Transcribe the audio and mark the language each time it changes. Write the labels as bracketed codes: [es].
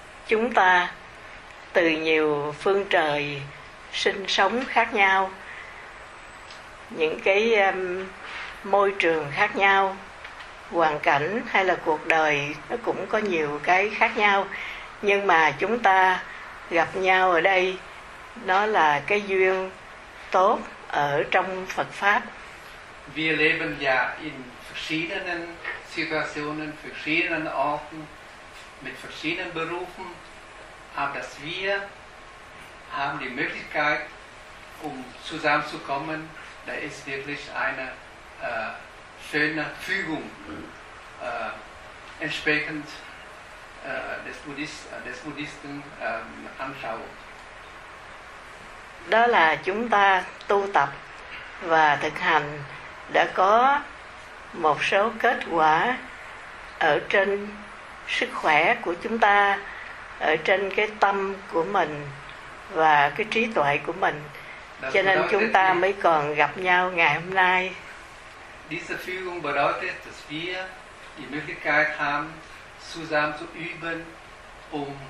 [vi] Chúng ta từ nhiều phương trời sinh sống khác nhau, những cái môi trường khác nhau, hoàn cảnh hay là cuộc đời nó cũng có nhiều cái khác nhau, nhưng mà chúng ta gặp nhau ở đây nó là cái duyên tốt ở trong Phật pháp. [de] Wir leben ja in verschiedenen Situationen, verschiedenen Orten, mit verschiedenen Berufen, aber dass wir haben die Möglichkeit, um zusammenzukommen, da ist wirklich eine schöne Fügung, entsprechend des Buddhisten Anschauung. [vi] Đó là chúng ta tu tập và thực hành đã có một số kết quả ở trên sức khỏe của chúng ta, ở trên cái tâm của mình và cái trí tuệ của mình. Cho nên chúng ta mới còn gặp nhau ngày hôm nay. [de] Diese Führung bedeutet, dass wir die Möglichkeit haben, zusammen zu üben, um